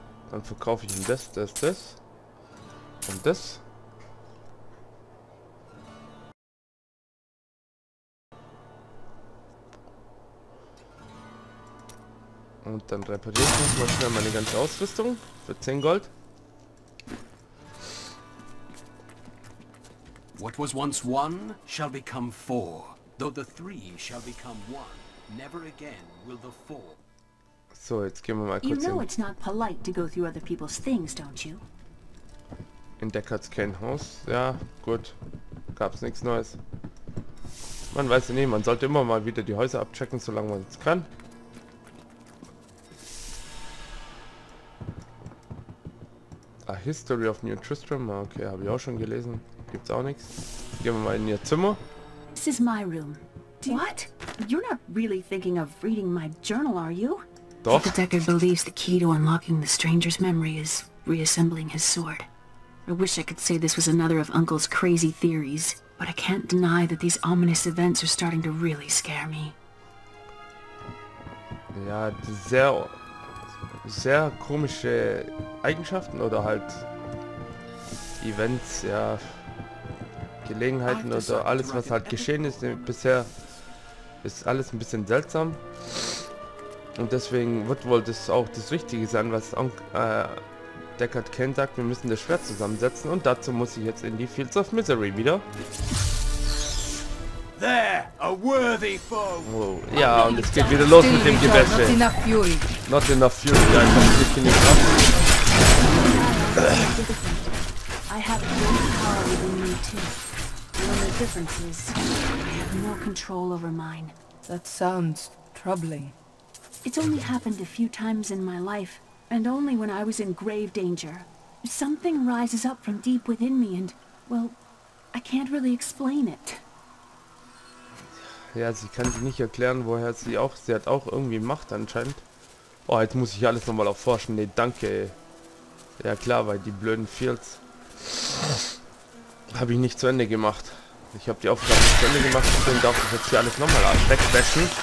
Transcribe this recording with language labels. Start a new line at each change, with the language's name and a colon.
German: Dann verkaufe ich ihm das, das, das. Und das. Und dann repariere ich mal schnell meine ganze Ausrüstung für 10 Gold.
English: What was once one shall become four, though the three shall become one. Never again will the four.
German: So, jetzt gehen wir mal kurz.
English: You know it's not polite to go through other people's things, don't you?
German: In Deckards kein Haus. Ja, gut. Gab's nichts Neues. Man weiß ja nie, man sollte immer mal wieder die Häuser abchecken, solange man es kann. A History of New Tristram. Okay, habe ich auch schon gelesen. Gibt's auch nichts. Gehen wir mal in ihr Zimmer.
English: This is my room. What? You're not really thinking of reading my journal, are you?
German: Doch.
English: The Deckard believes the key to unlocking the stranger's memory is reassembling his sword. I wish I could say this was another of Uncle's crazy theories, but I can't deny that these ominous events are starting to really scare me.
German: Ja, sehr, sehr komische Eigenschaften oder halt Events, ja, Gelegenheiten oder alles, was halt geschehen ist bisher. Ist alles ein bisschen seltsam und deswegen wird wohl das auch das Richtige sein, was Deckard Cain sagt. Wir müssen das Schwert zusammensetzen und dazu muss ich jetzt in die Fields of Misery wieder.
English: There, a worthy foe.
German: Oh, ja, und es geht wieder los mit dem Gewäsche.
English: Not enough fury. Not enough fury.
German: Ich finde nicht.
English: No control over mine. That sounds troubling. It's only happened a few times in my life, and only when I was in grave danger. Something rises up from deep within me and, well, I can't really explain it.
German: Ja, sie kann sich nicht erklären, woher sie auch. Sie hat auch irgendwie Macht anscheinend. Oh, jetzt muss ich alles nochmal erforschen. Nee, danke. Ja klar, weil die blöden Fields habe ich nicht zu Ende gemacht. Ich habe die Aufgabe zu Ende gemacht, deswegen darf ich jetzt hier alles nochmal wegbashen.